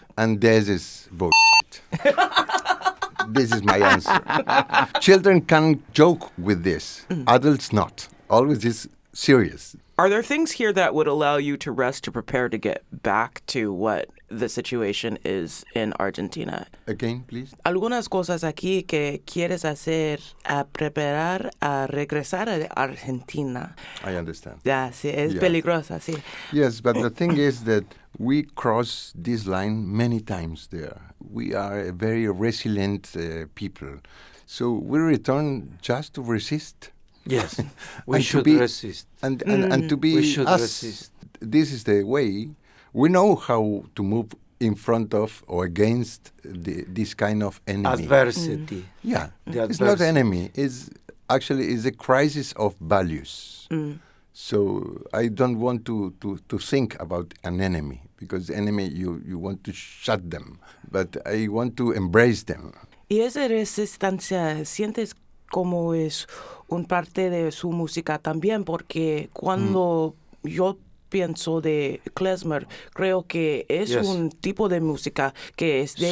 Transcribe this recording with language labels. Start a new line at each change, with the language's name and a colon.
English: And this is bullshit. This is my answer. Children can joke with this. Mm. Adults not. Always is serious. Are there things here that would allow you to rest to prepare to get back to what the situation is in Argentina? Again, please.
Spanish: Algunas cosas aquí que quieres hacer a preparar a regresar a Argentina.
English: I understand.
Spanish: Ya, sí, es peligrosa, sí.
English: Yes, but the thing is that we cross this line many times there. We are a very resilient people. So we return just to resist. Yes, we should resist. And to be resist. This is the way. We know how to move in front of or against this kind of enemy. Adversity. Mm. Yeah, the it's adversity. Not enemy. It's actually it's a crisis of values. Mm. So I don't want to think about an enemy, because enemy, you want to shut them, but I want to embrace them.
Spanish: ¿Y esa resistencia sientes como es un parte de su música también? Porque cuando yo pienso de klezmer, creo que es un tipo de música que es de...